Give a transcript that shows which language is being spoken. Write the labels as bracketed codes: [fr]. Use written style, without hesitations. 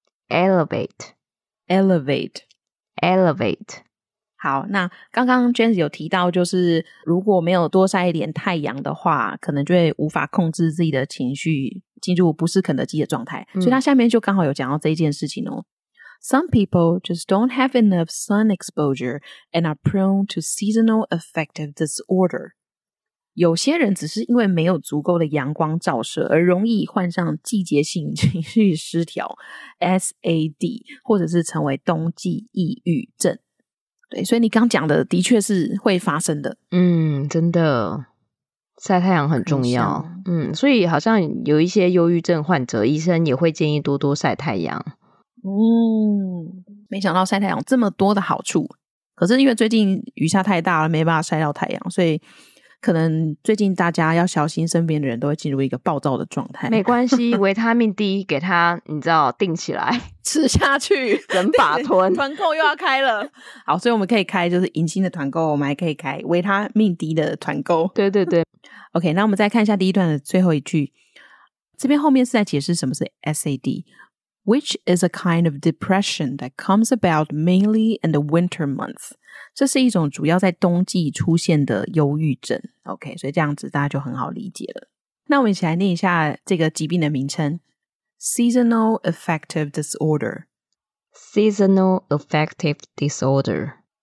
[en] elevate, elevate, elevate。 [zh] 好，那刚刚 Jens 有提到，就是如果没有多晒一点太阳的话，可能就会无法控制自己的情绪，进入不是肯德基的状态、嗯、所以他下面就刚好有讲到这一件事情哦。 [en] Some people just don't have enough sun exposure and are prone to seasonal affective disorder. [zh] 有些人只是因为没有足够的阳光照射而容易患上季节性情绪失调 SAD 或者是成为冬季抑郁症。对，所以你刚讲的的确是会发生的。嗯，真的晒太阳很重要。嗯，所以好像有一些忧郁症患者医生也会建议多多晒太阳。嗯，没想到晒太阳这么多的好处，可是因为最近雨下太大了，没办法晒到太阳，所以可能最近大家要小心身边的人都会进入一个暴躁的状态。没关系，维他命 D 给他你知道定起来吃下去，人把吞团购又要开了。好，所以我们可以开就是银杏的团购，我们还可以开维他命 D 的团购。对对对。 OK， 那我们再看一下第一段的最后一句，这边后面是在解释什么是 [en] SADWhich is a kind of depression that comes about mainly in the winter months. [zh] 这是一种主要在冬季出现的忧郁症。 OK， 所以这样子大家就很好理解了。那我们一起来念一下这个疾病的名称。 [en] Seasonal Affective Disorder. Seasonal Affective Disorder.